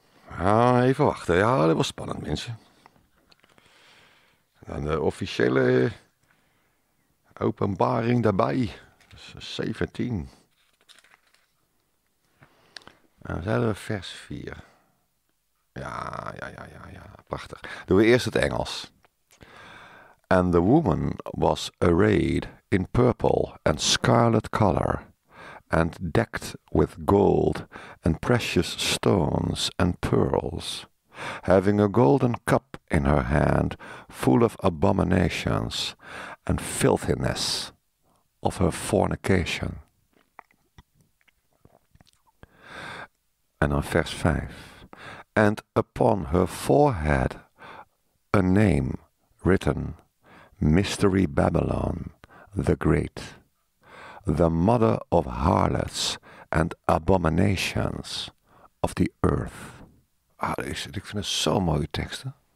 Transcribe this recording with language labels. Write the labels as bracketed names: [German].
[Dutch] Ja, even wachten. Ja, dat was spannend, mensen. Dan de officiële openbaring daarbij. Dat is 17. En dan zijn we vers 4. Ja. Prachtig. Doen we eerst het Engels. [English] And the woman was arrayed in purple and scarlet color. And decked with gold and precious stones and pearls, having a golden cup in her hand full of abominations and filthiness of her fornication. And on verse 5, and upon her forehead a name written, Mystery Babylon the Great, the mother of harlots and abominations of the earth. [Dutch] Ah, ik vind het zo'n mooie teksten.